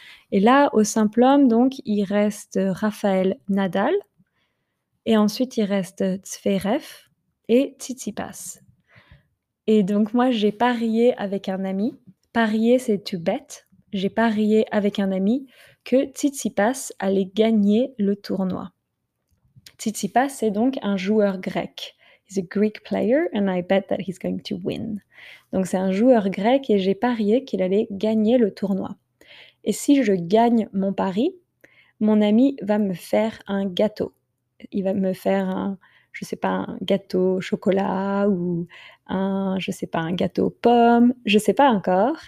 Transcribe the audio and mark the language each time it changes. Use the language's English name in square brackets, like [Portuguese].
[French] Et là, au simple homme, donc, il reste Rafael Nadal, et ensuite il reste Zverev et Tsitsipas. Et donc moi, j'ai parié avec un ami, parier c'est [English] to bet, [French] j'ai parié avec un ami que Tsitsipas allait gagner le tournoi. Tsitsipas, c'est donc un joueur grec, [English] He's a Greek player and I bet that he's going to win. [French] Donc c'est un joueur grec et j'ai parié qu'il allait gagner le tournoi. Et si je gagne mon pari, mon ami va me faire un gâteau. Il va me faire un, je sais pas, un gâteau au chocolat ou un, je sais pas, un gâteau aux pommes, je sais pas encore.